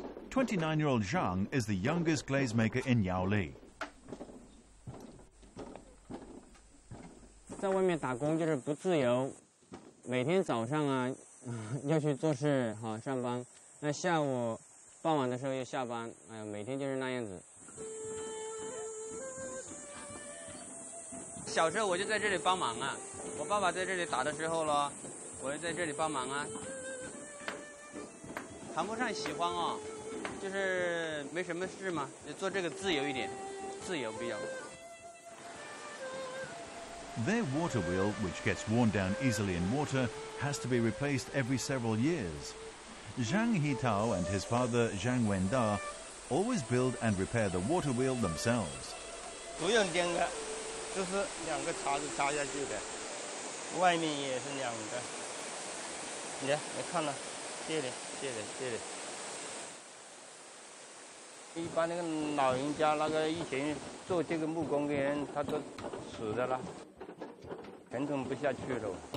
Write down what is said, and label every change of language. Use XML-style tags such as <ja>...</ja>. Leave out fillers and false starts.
<en>29-year-old Zhang is the youngest glaze maker in Yaoli.</en> <zh>在外面打工就是不自由，每天早上啊要去做事，好上班，那下午傍晚的时候又下班，哎呀，每天就是那样子。小时候我就在这里帮忙啊，我爸爸在这里打的时候咯。我也在这里帮忙啊，谈不上喜欢哦，就是没什么事嘛，就做这个自由一点，自由比较。</zh> <en>Their water wheel, which gets worn down easily in water, has to be replaced every several years. Zhang Huitou and his father Zhang Wenda always build and repair the water wheel themselves.</en> <zh>不用颠的，就是两个叉子插下去的，外面也是两个。你看了，谢谢。一般那个老人家那个以前做这个木工的人，他都死的了，传承不下去了。</zh>